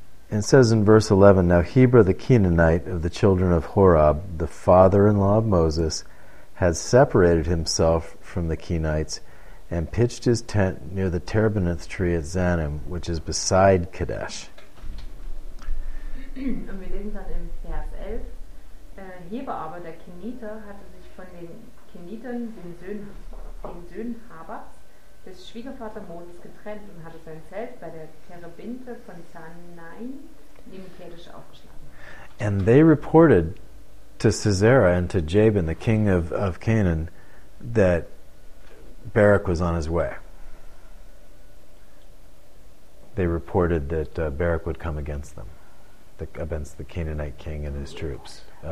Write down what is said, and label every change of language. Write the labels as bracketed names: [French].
[English] It says in verse 11, now Heber the Kenanite of the children of Horab, the father-in-law of Moses, had separated himself from the Kenites and pitched his tent near the terebinth tree at Zanim, which is beside Kadesh. [German] Und wir lesen dann im Vers 11, Heber aber, der Keniter, hatte sich von den Kenitern, den Söhnen Habats, des Schwiegervaters Moses getrennt und hatte sein Zelt bei der Terebinte von Zanaim neben Kedesh aufgeschlagen. [English] And they reported to Sisera and to Jabin, the king of Canaan, that Barak was on his way. They reported that Barak would come against them. Against the Canaanite king and his troops.